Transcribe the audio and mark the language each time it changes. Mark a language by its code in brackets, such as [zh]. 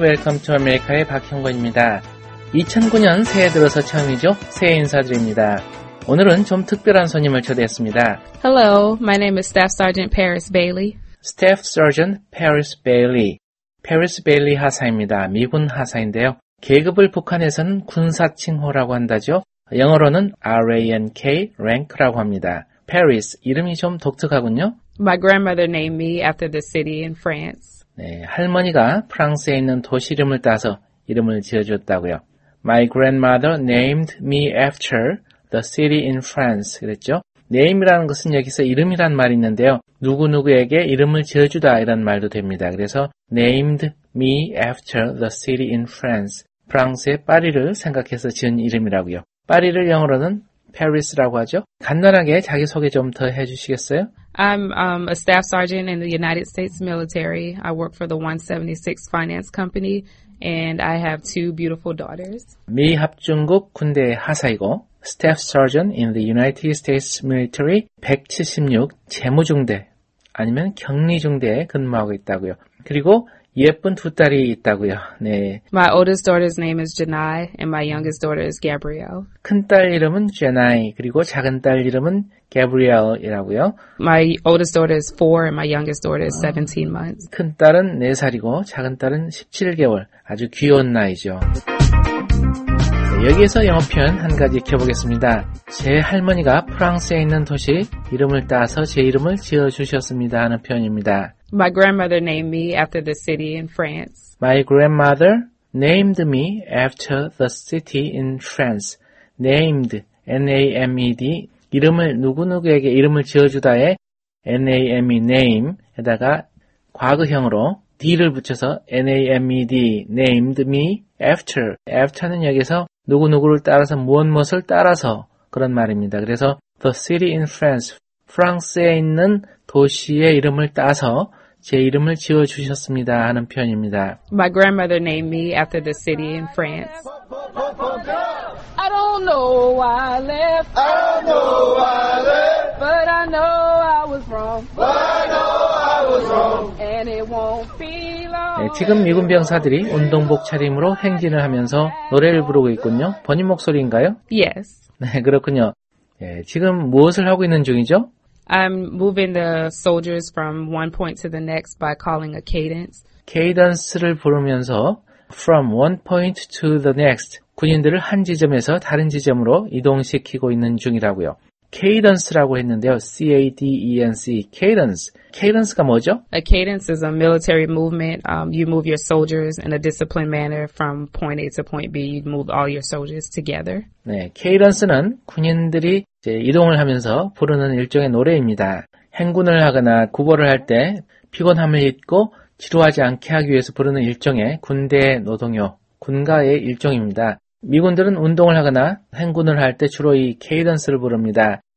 [ko] Welcome to America의 박형건입니다. 2009년 새해 들어서 처음이죠? 새해 인사드립니다. 오늘은 좀 특별한 손님을 초대했습니다. [en] Hello, my name is Staff Sergeant Paris Bailey. [ko] Staff Sergeant Paris Bailey. Paris Bailey 하사입니다. 미군 하사인데요. 계급을 북한에서는 군사 칭호라고 한다죠. 영어로는 RANK rank라고 합니다. Paris, 이름이 좀 독특하군요. [en] My grandmother named me after the city in France. [ko] 네, 할머니가 프랑스에 있는 도시 이름을 따서 이름을 지어줬다고요. [en] My grandmother named me after the city in France. [ko] 그랬죠? Name이라는 것은 여기서 이름이란 말이 있는데요. 누구누구에게 이름을 지어주다 이런 말도 됩니다. 그래서 [en] named me after the city in France. [ko] 프랑스의 파리를 생각해서 지은 이름이라고요. 파리를 영어로는 Paris라고 하죠. 간단하게 자기소개 좀 더 해주시겠어요? [en] I'm a staff sergeant in the United States military. I work for the 176 finance company and I have two beautiful daughters. [ko] 미 합중국 군대 하사이고 [en] staff sergeant in the United States military [ko] 176 재무중대 아니면 격리중대에 근무하고 있다고요. 그리고 예쁜 두 딸이 있다고요. 네. [en] My oldest daughter's name is Janai and my youngest daughter is Gabrielle. [ko] 큰딸 이름은 Janai 그리고 작은 딸 이름은 Gabrielle이라고요. [en] My oldest daughter is 4 and my youngest daughter is 17 months. [ko] 큰딸은 4살이고 작은딸은 17개월. 아주 귀여운 나이죠. 네, 여기에서 영어 표현 한 가지 익혀 보겠습니다. 제 할머니가 프랑스에 있는 도시 이름을 따서 제 이름을 지어 주셨습니다 하는 표현입니다. [en] My grandmother named me after the city in France. My grandmother named me after the city in France. [ko] Named, N-A-M-E-D, 이름을 누구누구에게 이름을 지어주다에 N-A-M-E, name에다가 과거형으로 D를 붙여서 N-A-M-E-D, [en] named me after. [ko] After는 여기서 누구누구를 따라서 무엇무엇을 따라서 그런 말입니다. 그래서 [en] the city in France, [ko] 프랑스에 있는 도시의 이름을 따서 제 이름을 지어 주셨습니다 하는 표현입니다. [en] My grandmother named me after the city in France. I don't know why I left. I don't know why I left. But I know I was wrong. But I know I was wrong. And it won't be long. [ko] 네, 지금 미군 병사들이 운동복 차림으로 행진을 하면서 노래를 부르고 있군요. 본인 목소리인가요? [en] Yes. [ko] 네, 그렇군요. 네, 지금 무엇을 하고 있는 중이죠? [en] I'm moving the soldiers from one point to the next by calling a cadence. Cadence를 [ko] 부르면서 [en] from one point to the next. [ko] 군인들을 한 지점에서 다른 지점으로 이동시키고 있는 중이라고요. Cadence라고 했는데요. C-A-D-E-N-C. Cadence. Cadence가 뭐죠? [en] A cadence is a military movement. You move your soldiers in a disciplined manner from point A to point B. You move all your soldiers together. [ko] 네, cadence는 군인들이 이제 이동을 하면서 부르는 일종의 노래입니다. 행군을 하거나 구보를 할 때 피곤함을 잊고 지루하지 않게 하기 위해서 부르는 일종의 군대 노동요, 군가의 일종입니다. 미군들은 운동을 하거나 행군을 할 때 주로 이 케이던스를 부릅니다.